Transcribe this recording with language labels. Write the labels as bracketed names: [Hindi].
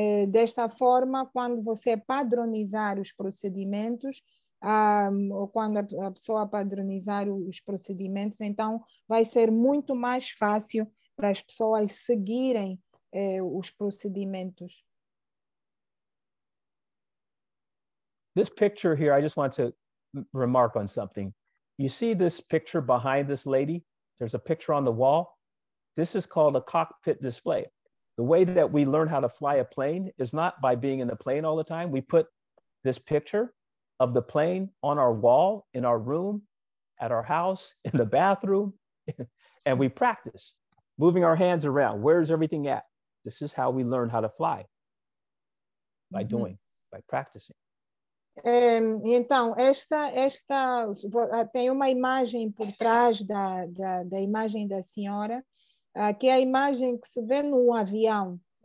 [Portuguese] Desta forma, quando você padronizar os procedimentos, ou quando a pessoa padronizar os procedimentos, então vai ser muito mais fácil para as pessoas seguirem os procedimentos. [English] This picture here, I just want to remark on something. You see this picture behind this lady? There's a picture on the wall. This is called a cockpit display. The way that we learn how to fly a plane is not by being in the plane all the time. We put this picture of the plane on our wall, in our room, at our house, in the bathroom, and we practice. moving our hands around. Where is everything at? This is how we learn how to fly, by doing, by practicing. [Portuguese] Então, esta tem uma imagem por trás da imagem da senhora, que é a imagem que se vê no avião.